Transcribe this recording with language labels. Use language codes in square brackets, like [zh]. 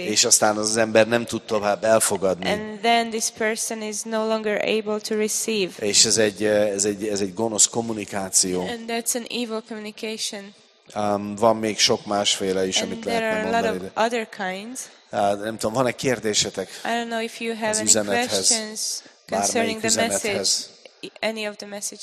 [hu] És aztán az ember nem tud tovább elfogadni. [en] And then this person is no longer able to receive. [hu] És ez egy gonosz kommunikáció. [en] And that's an evil communication. [hu] Van még sok másféle is, amit lehetne mondani. [en] There are a lot of other kinds. [hu] Nem tudom, van-e kérdésetek? [en] I don't know if you have any questions concerning the message, any of the messages.